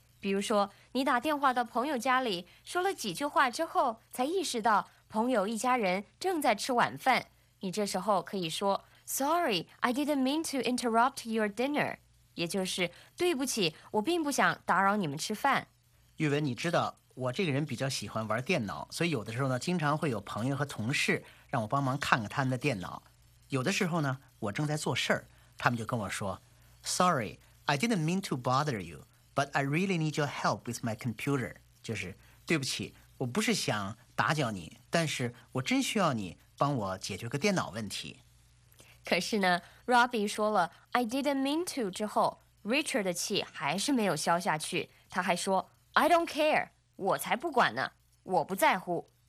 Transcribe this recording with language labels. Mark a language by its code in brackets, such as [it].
[zh] 比如说你打电话到朋友家里说了几句话之后才意识到朋友一家人正在吃晚饭，你这时候可以说 [en] Sorry, I didn't mean to interrupt your dinner， [zh] 也就是对不起，我并不想打扰你们吃饭。宇文，你知道我这个人比较喜欢玩电脑，所以有的时候呢经常会有朋友和同事让我帮忙看看他们的电脑。有的时候呢我正在做事儿，他们就跟我说 [en] Sorry, I didn't mean to bother you, but I really need your help with my computer. [zh] 就是对不起，我不是想打搅你，但是我真需要你帮我解决个电脑问题。可是呢 Robbie 说了 [en] I didn't mean to [zh] 之后， Richard 的气还是没有消下去，他还说 [en] I don't care， [zh] 我才不管呢，我不在乎。